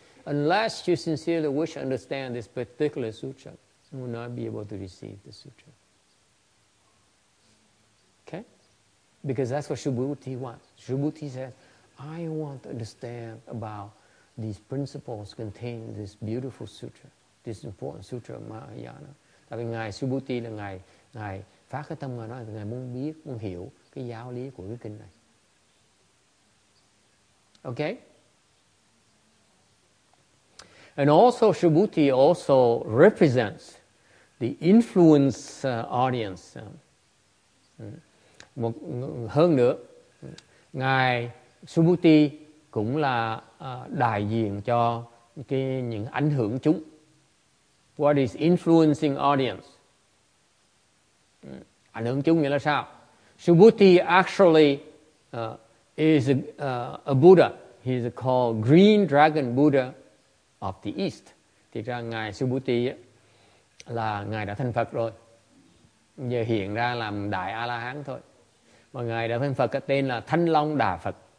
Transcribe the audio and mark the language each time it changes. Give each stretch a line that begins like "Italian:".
English: Unless you sincerely wish to understand this particular sutra, you will not be able to receive the sutra. Okay? Because that's what Subhuti wants. Subhuti says, I want to understand about these principles contained in this beautiful sutra, this important sutra of Mahayana.
Vietnamese: Tại vì ngài Subhuti là ngài phát cái tâm ngài nói là ngài muốn biết, muốn hiểu cái giáo lý của cái kinh này.
English: Okay? And also Subhuti also represents the influence audience.
Vietnamese: Hơn nữa, ngài Subhuti cũng là đại diện cho cái những ảnh hưởng chúng.
English: What is influencing audience?
Vietnamese: Ảnh hưởng chúng nghĩa là sao?
English: Subhuti actually is a Buddha. He's called Green Dragon Buddha of the East.
Vietnamese: Thì ra ngài Subhuti là ngài đã thành Phật rồi. Giờ hiện ra làm đại A-la-hán thôi. Mà ngài đã thành Phật cái tên là Thanh Long Đà Phật.